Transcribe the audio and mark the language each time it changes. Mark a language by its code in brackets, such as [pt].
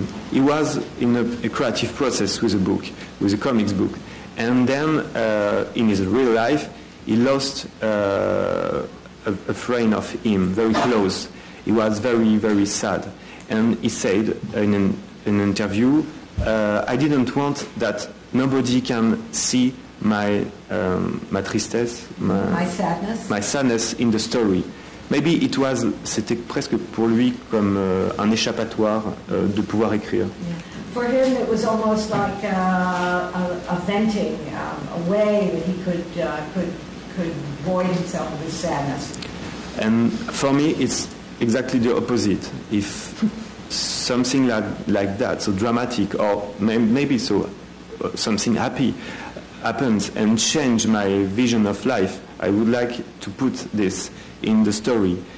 [en] He was in a creative process with a book, with a comics book, and then in his real life, he lost a friend of him, very close. He was very, very sad, and he said in an interview, I didn't want that nobody can see my [fr] tristesse, [en] my sadness in the story. Maybe it was, [fr] c'était presque pour lui comme un échappatoire de pouvoir écrire. [en] Yeah. For him, it was almost like a venting, a way that he could void himself of his sadness. And for me, it's exactly the opposite. If something like that, so dramatic, or maybe so, something happy happens and change my vision of life, I would like to put this in the story.